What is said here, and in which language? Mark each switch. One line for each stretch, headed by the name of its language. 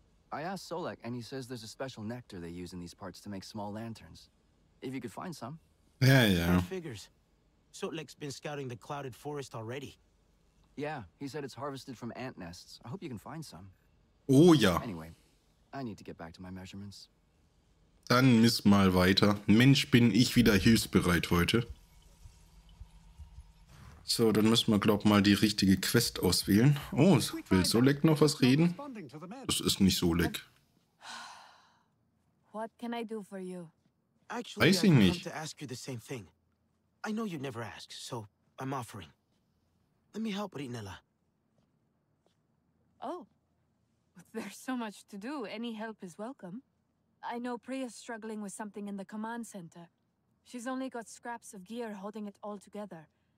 English: I asked Solak, and he says there's a special nectar they use in these parts to make small lanterns. If you could find some. Yeah, yeah. Who figures? Solak's been scouting the clouded forest already. Yeah, he said it's harvested from ant nests. I hope you can find some. Oh yeah. Anyway, I need to get back to my measurements.
German: Dann miss mal weiter. Mensch, bin ich wieder hilfsbereit heute. So, dann müssen wir, glaube ich, mal die richtige Quest auswählen. Oh, will Solak noch was reden? Das ist nicht Solak.
English: What can I do for you?
German: Actually, weiß ich nicht.
English: I want to ask you the same thing. I know you'd never ask, so I'm offering. Let me help Rinella. Oh, there's so much to do. Any help is welcome. I know Priya's struggling with something in the command center. She's only got scraps of gear holding it all together.